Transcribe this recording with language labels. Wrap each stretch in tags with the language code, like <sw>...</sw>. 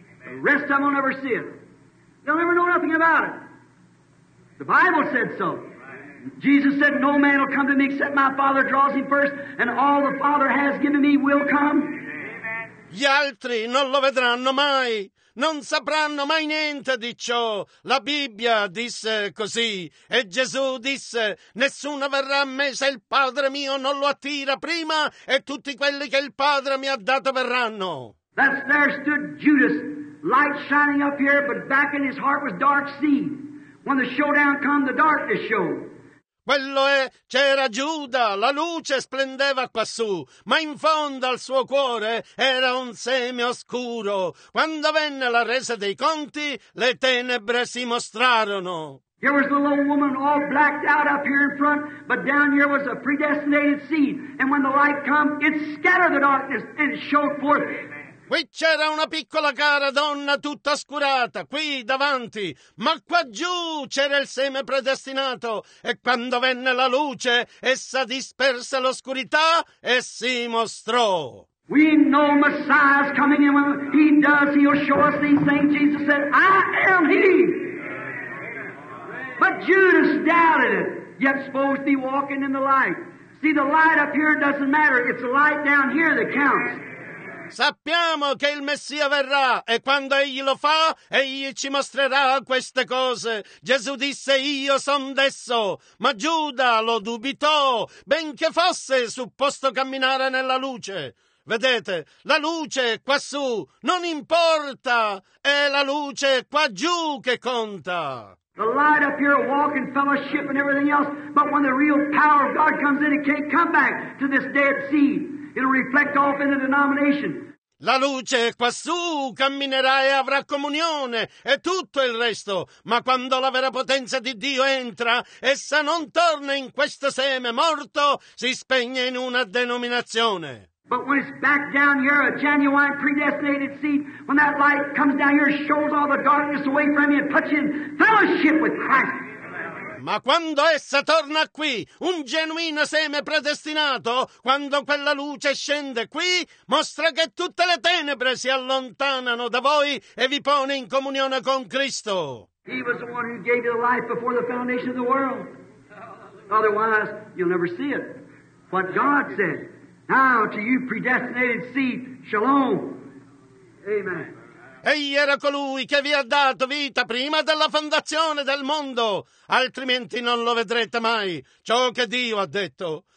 <en>The rest of them will never see it. They'll never know nothing about it. The Bible said so. Jesus said, no man will come to me except my Father draws him first, and all the Father has given me will come.</en> <it>Gli altri non lo vedranno mai, non sapranno mai niente di ciò. La Bibbia disse così, e Gesù disse, nessuno verrà a me se il Padre mio non lo attira prima, e tutti quelli che il Padre mi ha dato verranno.</it> <en>That's there stood Judas, light shining up here, but back in his heart was dark sea. When the showdown come, the darkness showed.</en> <it>Quello è, c'era Giuda, la luce splendeva quassù, ma in fondo al suo cuore era un seme oscuro. Quando venne la resa dei conti, le tenebre si mostrarono.</it> <en>Here was the little woman all blacked out up here in front, but down here was a predestinated seed, and when the light come, it scattered the darkness and it showed forth.</en> <it>Qui c'era una piccola cara donna tutta oscurata, qui davanti, ma qua giù c'era il seme predestinato, e quando venne la luce, essa disperse l'oscurità e si mostrò.</it> <en>We know Messiah's coming in. He does, he'll show us these things. Jesus said, I am he. But Judas doubted it, yet supposed to be walking in the light. See, the light up here doesn't matter, it's the light down here that counts.</en> <it>Sappiamo che il Messia verrà, e quando egli lo fa, egli ci mostrerà queste cose. Gesù disse, io son desso, ma Giuda lo dubitò, benché fosse supposto camminare nella luce. Vedete, la luce è quassù, non importa, è la luce qua giù che conta.</it> <en>The light up here, walking, fellowship and everything else, but when the real power of God comes in, it can't come back to this dead seed. It'll reflect off in the denomination.</en> <it>La luce quassù camminerà e avrà comunione e tutto il resto, ma quando la vera potenza di Dio entra, essa non torna in questo seme morto, si spegne in una denominazione.</it> <en>But when it's back down here, a genuine predestinated seed, when that light comes down here, shows all the darkness away from you and puts you in fellowship with Christ.</en> <it>Ma quando essa torna qui, un genuino seme predestinato, quando quella luce scende qui, mostra che tutte le tenebre si allontanano da voi e vi pone in comunione con Cristo.</it> <en>He was the one who gave you the life before the foundation of the world. Otherwise, you'll never see it. What God said, now to you predestinated seed, shalom. Amen.</en> <it>Egli era colui che vi ha dato vita prima della fondazione del mondo, altrimenti non lo vedrete mai, ciò che Dio ha detto.</it>